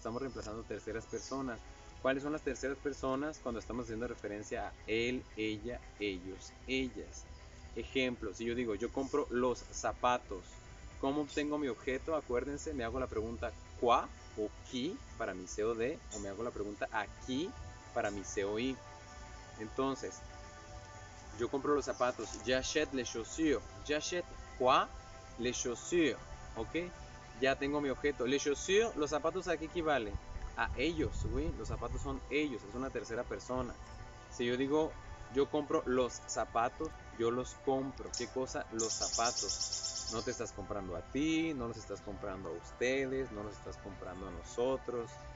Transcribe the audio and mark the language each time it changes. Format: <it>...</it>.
<es>Estamos reemplazando terceras personas. ¿Cuáles son las terceras personas cuando estamos haciendo referencia a él, ella, ellos, ellas? Ejemplo, si yo digo, yo compro los zapatos, ¿cómo obtengo mi objeto? Acuérdense, me hago la pregunta qua o qui para mi COD o me hago la pregunta aquí para mi COI. Entonces, yo compro los zapatos,</es> <fr>j'achète les chaussures, j'achète quoi les chaussures,</fr> <es>¿ok? Ya tengo mi objeto, les chaussures, los zapatos, ¿a qué equivale? A ellos, ¿sí? Los zapatos son ellos, es una tercera persona. Si yo digo, yo compro los zapatos, yo los compro. ¿Qué cosa? Los zapatos. No te estás comprando a ti, no los estás comprando a ustedes, no los estás comprando a nosotros.</es>